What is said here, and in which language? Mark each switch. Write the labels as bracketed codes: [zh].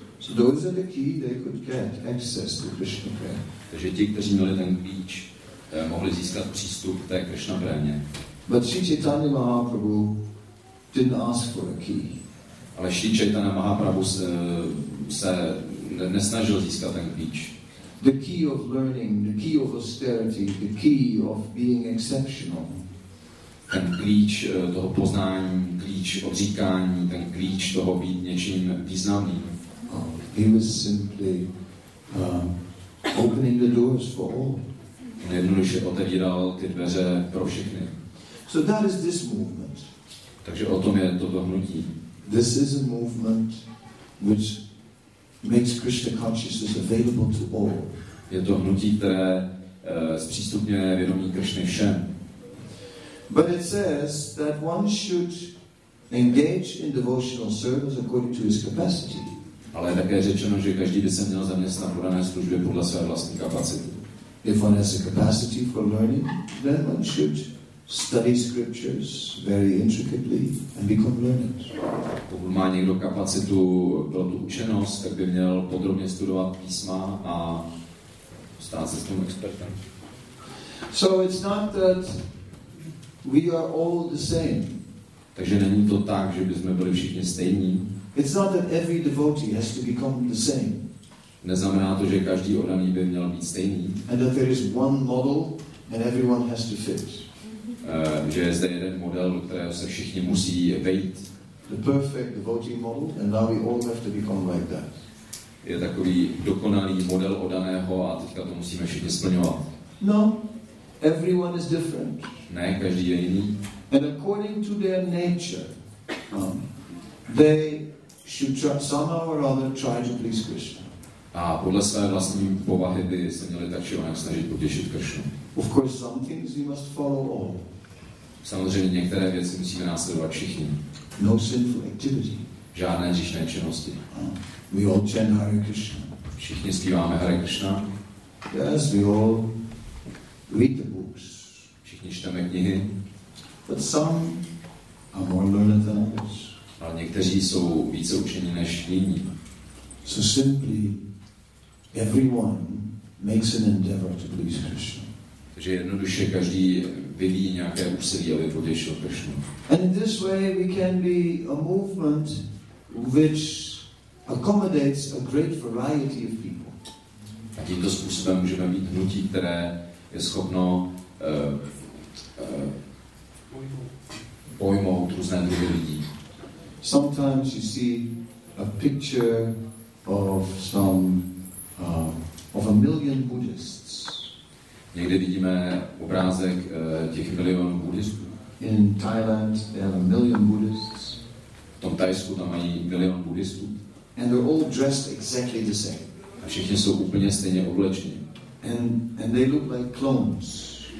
[en] So those had a key, they could get access to Krishna prayer. [cs] Takže ti, kteří měli ten klíč, mohli získat přístup k té Krishna [en] prayer. But Sri Chaitanya Mahaprabhu didn't ask for a key. [cs] Ale Sri Chaitanya Mahaprabhu se nesnažil získat ten klíč. [en] The key of learning, the key of austerity, the key of being exceptional. [cs] Ten klíč toho poznání, klíč odříkání, ten klíč toho být něčím významným. [en] He was simply opening the doors for all. [cs] On jednoduše otevíral ty dveře pro všechny. [en] So that is this movement. [cs] Takže o tom je toto hnutí. [en] This is a movement which makes Krishna consciousness available to all. [cs] Je to hnutí, které zpřístupňuje vědomí Krishny všem. [en] But it says that one should engage in devotional service according to his capacity. [cs] Ale je také řečeno, že každý by se měl zaměstnat v dané službě podle své vlastní kapacity. [en] If one has a capacity for learning, then one should study scriptures very intricately and become learned. [cs] Pokud má někdo kapacitu pro tu učenost, tak by měl podrobně studovat písma a stát se s tím expertem. [en] So it's not that we are all the same. [cs] Takže není to tak, že bychom byli všichni stejní. [en] It's not that every devotee has to become the same. [cs] Neznamená to, že každý oddaný by měl být stejný. [en] And that there is one model and everyone has to fit. [cs] Že je zde jeden model, do kterého se všichni musí vejít. [en] The perfect devotee model, and now we all have to become like that. [cs] Je takový dokonalý model oddaného a teďka to musíme všichni splňovat. [en] No, everyone is different. [cs] Ne, každý je jiný. [en] And according to their nature, they should somehow or other try to please Krishna. [cs] A podle své vlastní povahy by se měli tak či onak snažit potěšit Krishnu. [en] Of course, some things we must follow all. [cs] Samozřejmě některé věci musíme následovat všichni. [en] No sinful activity. [cs] Žádné hříšné činnosti. [en] We all chant Hare Krishna. [cs] Všichni zpíváme Hare Krishna. [en] Yes, we all read the books. [cs] Všichni čteme knihy. [en] But some are more learned than others. [cs] Ale někteří jsou více učení než jiní. [en] So simply, everyone makes an endeavor to please Krishna. [cs] Takže jednoduše každý vyvíjí nějaké úsilí, aby potěšil Krishnu. [en] And in this way we can be a movement which accommodates a great variety of people. [cs] A tímto způsobem můžeme být hnutí, které je schopno pojmout různé druhy lidí. [en] Sometimes you see a picture of some of a million Buddhists. [cs] Někde vidíme obrázek těch milionů buddhistů. [en] In Thailand there are a million Buddhists. [cs] V tom Thajsku tam mají milion buddhistů. [en] And they're all dressed exactly the same. [cs] A všichni jsou úplně stejně oblečeni. [en] And they look like clones.